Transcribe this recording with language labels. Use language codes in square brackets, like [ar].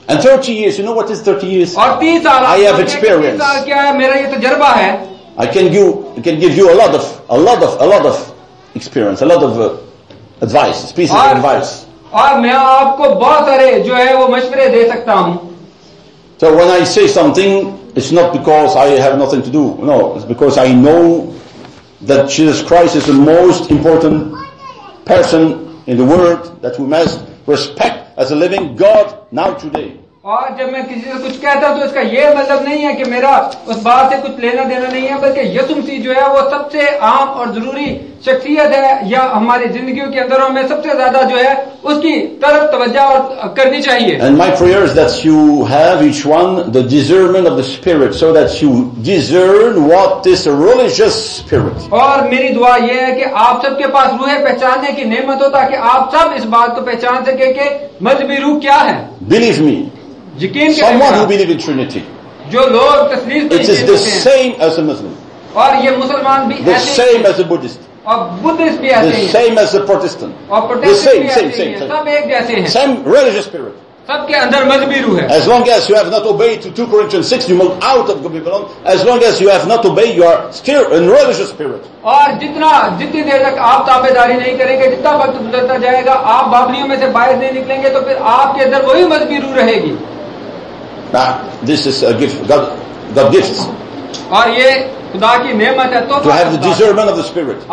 [en] And 30 years, you know what is 30 years? [hi] और 30 साल [en] I have experience. [hi] 30 साल क्या है? मेरा ये तजुर्बा है. [en] I can give you a lot of experience, a lot of advice, pieces of advice. [hi] और मैं आपको बहुत सारे जो है वो मशवरे दे सकता हूँ. [en] So when I say something, it's not because I have nothing to do. No, it's because I know that Jesus Christ is the most important person in the world that we must respect as a living God now today. [hi] और जब मैं किसी से कुछ कहता हूं तो इसका यह मतलब नहीं है कि मेरा उस बात से कुछ लेना देना नहीं है, बल्कि यीशु मसीह जो है वो सबसे आम और जरूरी शख्सियत है या हमारी जिंदगियों के अंदर हमें सबसे ज्यादा जो है उसकी तरफ तवज्जा और करनी चाहिए. [en] And my prayer is that you have each one the discernment of the spirit so that you discern what this religious spirit. [hi] और मेरी दुआ यह है कि आप सबके पास रूह पहचानने की नेमत हो ताकि आप सब इस बात को पहचान सके कि मजहबी रूह क्या है. [en] Believe me Someone who believes in Trinity. [hi] जो लोग तस्लीम [en] It is the same as a Muslim. [hi] और ये मुसलमान भी [en] The same as a Buddhist. [hi] और बुद्धिस्ट भी ऐसे [en] The same as a Protestant. [hi] और प्रोटेस्टेंट भी ऐसे हैं. सब एक जैसे हैं. [en] Same religious spirit. [hi] सबके अंदर मजहबी रूह है. [en] As long as you have not obeyed to 2 Corinthians 6, you move out of Babylon. As long as you have not obeyed, you are still in religious spirit. [hi] और जितनी देर तक आप ताबेदारी नहीं करेंगे, जितना वक्त गुजरता जाएगा, आप बाबलियों में से बाहर नहीं निकलेंगे, तो फिर आपके अंदर वही मजहबी रूह रहेगी. [en] Now, this is a gift. God gives. [hi] और ये खुदा की नेमत है तो [en] to have the discernment of the spirit